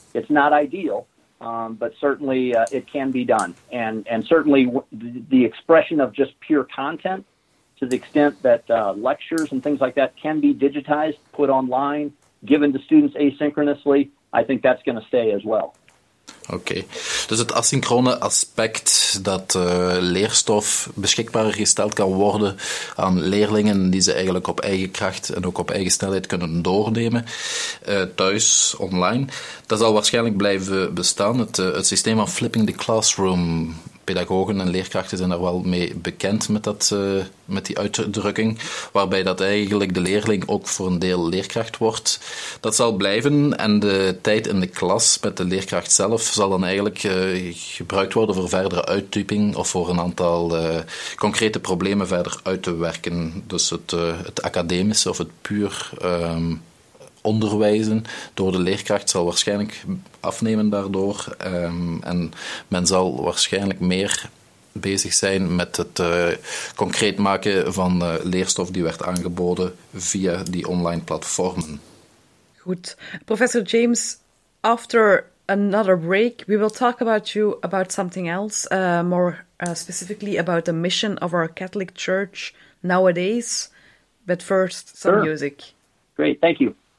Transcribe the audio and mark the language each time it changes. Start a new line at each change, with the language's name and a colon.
English: It's not ideal, but certainly it can be done. And certainly the expression of just pure content, to the extent that lectures and things like that can be digitized, put online, given to students asynchronously, I think that's going to stay as well.
Dutch: Oké.
English: Okay.
Dutch: Dus het asynchrone aspect dat leerstof beschikbaar gesteld kan worden aan leerlingen die ze eigenlijk op eigen kracht en ook op eigen snelheid kunnen doornemen, thuis, online, dat zal waarschijnlijk blijven bestaan. Het systeem van
English: flipping the classroom,
Dutch: pedagogen en leerkrachten zijn daar wel mee bekend met die uitdrukking, waarbij dat eigenlijk de leerling ook voor een deel leerkracht wordt. Dat zal blijven en de tijd in de klas met de leerkracht zelf zal dan eigenlijk gebruikt worden voor verdere uittyping of voor een aantal concrete problemen verder uit te werken. Dus het academische of het puur onderwijzen door de leerkracht zal waarschijnlijk afnemen daardoor. En men zal waarschijnlijk meer bezig zijn met het concreet maken van leerstof die werd aangeboden via die online platformen. Goed.
English: Professor James, after another break, we will talk about you about something else, more specifically about the mission of our Catholic Church nowadays. But first, some music. Great, thank you.